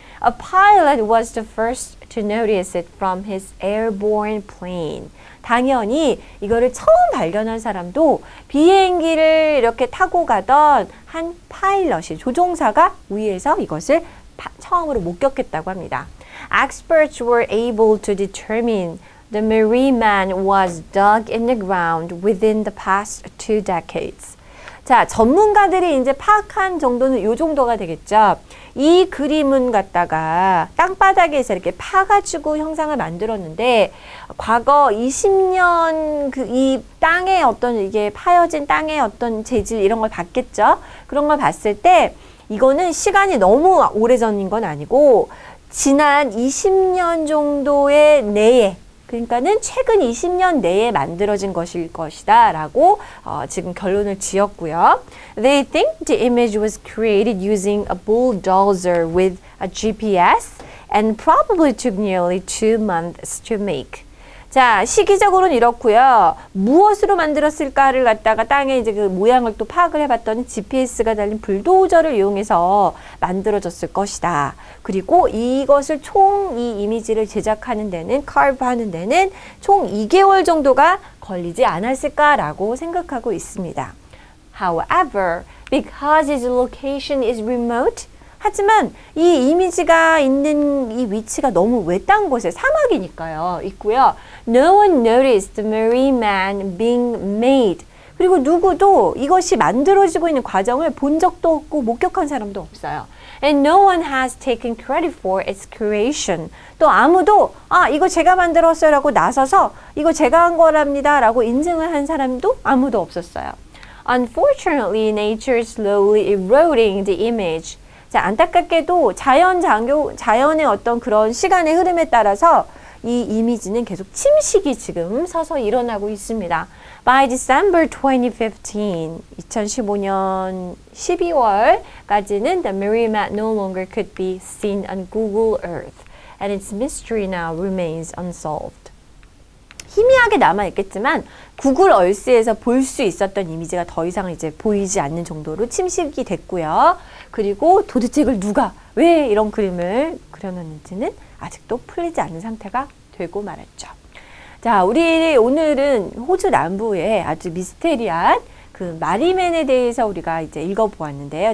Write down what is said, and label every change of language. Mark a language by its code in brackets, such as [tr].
[en] A pilot was the first to notice it from his airborne plane. [ko] 당연히 이거를 처음 발견한 사람도 비행기를 이렇게 타고 가던 한 파일럿이 조종사가 위에서 이것을 처음으로 목격했다고 합니다. [en] Experts were able to determine the Merriman was dug in the ground within the past two decades. [ko] 자, 전문가들이 이제 파악한 정도는 요 정도가 되겠죠. 이 그림은 갖다가 땅바닥에서 이렇게 파가지고 형상을 만들었는데 과거 20년 그 이 땅의 어떤 이게 파여진 땅의 어떤 재질 이런 걸 봤겠죠. 그런 걸 봤을 때 이거는 시간이 너무 오래전인 건 아니고 지난 20년 정도의 내에 그러니까는 최근 20년 내에 만들어진 것일 것이다 라고 지금 결론을 지었고요. [en] They think the image was created using a bulldozer with a GPS and probably took nearly 2 months to make. [ko] 자, 시기적으로는 이렇고요. 무엇으로 만들었을까를 갖다가 땅에 이제 그 모양을 또 파악을 해봤더니 GPS가 달린 불도저를 이용해서 만들어졌을 것이다. 그리고 이것을 총 이 이미지를 제작하는 데는 카브 하는 데는 총 2개월 정도가 걸리지 않았을까라고 생각하고 있습니다. [en] However, because its location is remote, [ko] 하지만 이 이미지가 있는 이 위치가 너무 외딴 곳에 사막이니까요. 있고요. [en] No one noticed the Merriman being made. [ko] 그리고 누구도 이것이 만들어지고 있는 과정을 본 적도 없고 목격한 사람도 없어요. [en] And no one has taken credit for its creation. [ko] 또 아무도 아 이거 제가 만들었어요 라고 나서서 이거 제가 한 거랍니다 라고 인증을 한 사람도 아무도 없었어요. [en] Unfortunately, nature is slowly eroding the image. [ko] 자, 안타깝게도 자연의 어떤 그런 시간의 흐름에 따라서 이 이미지는 계속 침식이 지금 서서히 일어나고 있습니다. [en] By December 2015, [ko] 2015년 12월까지는 [en] the Merriman no longer could be seen on Google Earth and its mystery now remains unsolved. [ko] 희미하게 남아 있겠지만 구글 얼스에서 볼 수 있었던 이미지가 더 이상 이제 보이지 않는 정도로 침식이 됐고요. 그리고 도대체 이걸 누가 왜 이런 그림을 그려놨는지는 아직도 풀리지 않은 상태가 되고 말았죠. 자, 우리 오늘은 호주 남부의 아주 미스테리한 그 마리맨에 대해서 우리가 이제 읽어보았는데요.